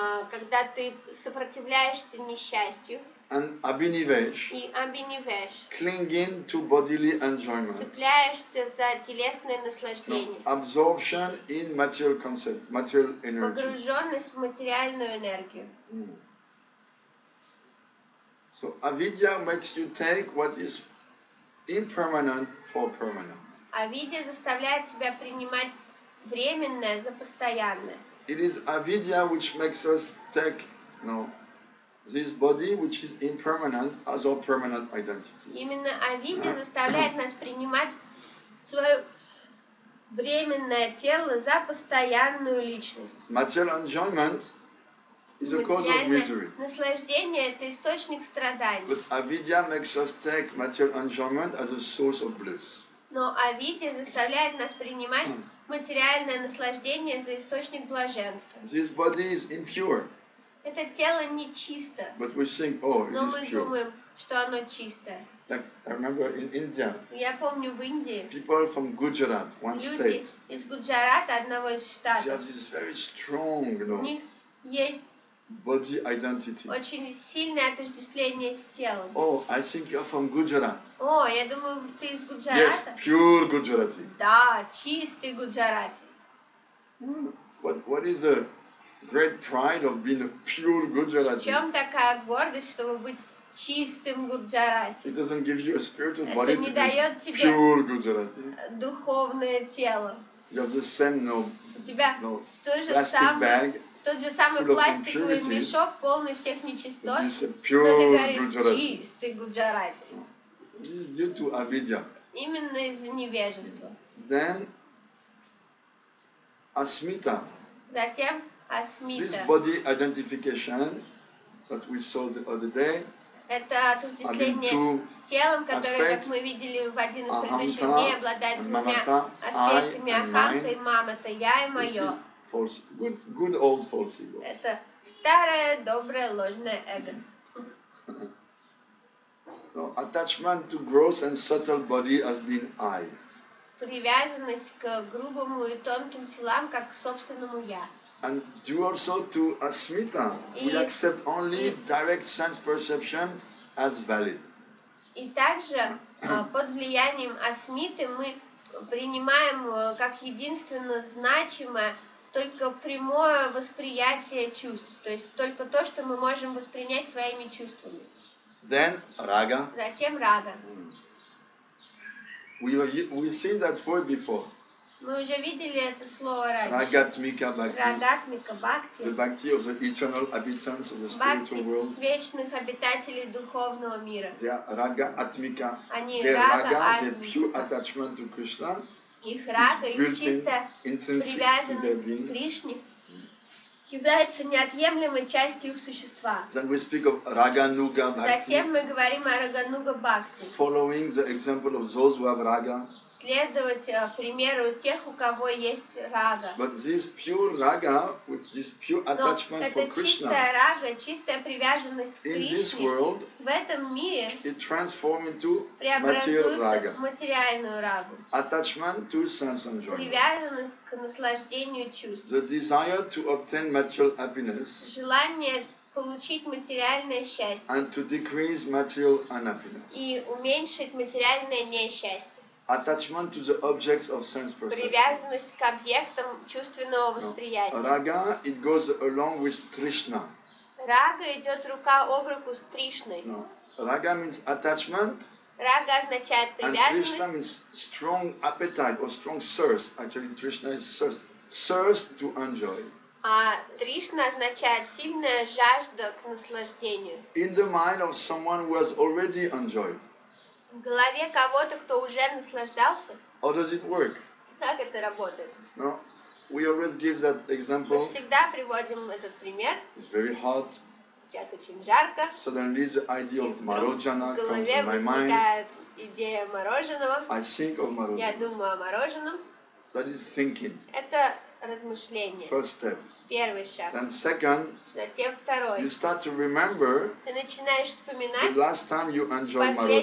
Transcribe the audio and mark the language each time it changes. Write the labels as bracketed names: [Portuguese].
[Russian] когда ты сопротивляешься несчастью, [English] and abhinivesh, [Russian] и abhinivesh, [English] clinging to bodily enjoyment, [Russian] цепляешься за телесное наслаждение, [English] absorption in material concept, material energy, [Russian] погруженность в материальную энергию. [English] So avidya makes you take what is impermanent for permanent. [Russian] Авидья заставляет тебя принимать временное за постоянное. [English] It is avidya which makes us take, you know, this body which is impermanent as our permanent identity. [Russian] Именно авидья заставляет нас принимать свое временное тело за постоянную личность. [English] Material enjoyment is a cause of misery. [Russian] Наслаждение — это источник страданий. [English] But avidya makes us take material enjoyment as a source of bliss. [Russian] Но авидья заставляет нас принимать материальное наслаждение за источник блаженства. [English] This body is impure. [Russian] Это тело нечисто. [English] But we think, oh, it is pure. [Russian] Но мы думаем, что оно чистое. [English] Like, I remember in India. [Russian] Я помню, в Индии. [English] People from Gujarat, one [Russian] люди [English] state. [Russian] Люди из Гуджарата, одного из штатов. [English] They have this very strong, you know. [Russian] У них есть [English] body identity. [Russian] Очень сильное отождествление с телом. [English] Oh, I think you're from Gujarat. [Russian] Oh, я думаю, ты из Гуджарата. [English] Yes, pure Gujarati. [Russian] Да, чистый Гуджарати. [English] What is the great pride of being a pure Gujarati? [Russian] В чем такая гордость, чтобы быть чистым Гуджарати? [English] It doesn't give you a spiritual body. [Russian] Это не дает тебе [English] pure Gujarati. [Russian] Духовное тело. You're the same, no, у тебя то же самое. Тот же самый пластиковый мешок, полный всех нечистот, но ты говоришь, чистый Гуджарати. [English] This is due to avidya. [Russian] Именно из-за невежества. [English] Then, asmita. [Russian] Затем асмита. [English] This body identification that we saw the other day. [Russian] Это отождествление с телом, которое, как мы видели в один из предыдущих дней, обладает двумя аспектами, аханта и мамата, я и мое. [English] Good old false ego. [Russian] Это старое доброе ложное эго. [English] No, attachment to gross and subtle body has been I. [Russian] Привязанность к грубому и тонким телам как к собственному я. [English] And due also to asmita, we accept only direct sense perception as valid. [Russian] И также под влиянием асмиты мы принимаем как единственно значимое только прямое восприятие чувств, то есть только то, что мы можем воспринять своими чувствами. [English] Then рага. [Russian] Затем рага. [English] We seen that word before. [Russian] Мы уже видели это слово раньше. Рагатмика бхакти. Рагатмика бхакти. [English] The bhakti of the eternal habitants of the spiritual world. [Russian] Бхакти вечных обитателей духовного мира. Я рага атмика. Они рага атмика. [English] The pure attachment to Krishna. [Russian] Их рака, их чистая привязанность к Кришне является неотъемлемой частью их существа. [English] Then we speak of Raganuga Bhakti. [Russian] Затем мы говорим о Рагануга Бхакти. [English] Following the example of those who have Raga. [Russian] Следовать примеру тех, у кого есть рага. [English] But this pure Raga, with this pure attachment for Krishna. [Russian] Но это чистая рага, чистая привязанность к Кришне. [English] In this world, [Russian] в этом мире, [English] it transforms into [Russian] материальную рагу. [English] Attachment to sense enjoyment. [Russian] Привязанность к наслаждению чувств. [English] The desire to obtain material happiness. [Russian] Желание получить материальное счастье. [English] And to decrease material unhappiness. [Russian] И уменьшить материальное несчастье. [English] Attachment to the objects of sense perception. [Russian] Привязанность к объектам чувственного восприятия. [English] Рага, it goes along with Кришна. [Russian] Рага идет рука об руку с Кришной. [English] Рага means attachment. [Russian] Рага означает привязанность. [English] And Кришна means strong appetite or strong thirst. Actually, Кришна is thirst to enjoy. [Russian] А Кришна означает сильная жажда к наслаждению. [English] In the mind of someone who has already enjoyed. [Russian] В голове кого-то, кто уже наслаждался. [English] How does it work? [Russian] Как это работает? [English] No, we always give that example. [Russian] Мы всегда приводим этот пример. [English] It's very hot. [Russian] Сейчас очень жарко. [English] Suddenly the idea of marojana comes to my mind. [Russian] В голове возникает идея мороженого. [English] I think of marojana. [Russian] Я думаю о мороженом. [English] That is thinking. [Russian] Это размышление. [English] First step. [Russian] Первый шаг. [English] Then second. [Russian] Затем второй. [English] You start to remember. [Russian] Ты начинаешь вспоминать. [English] The last time you enjoyed мороженое.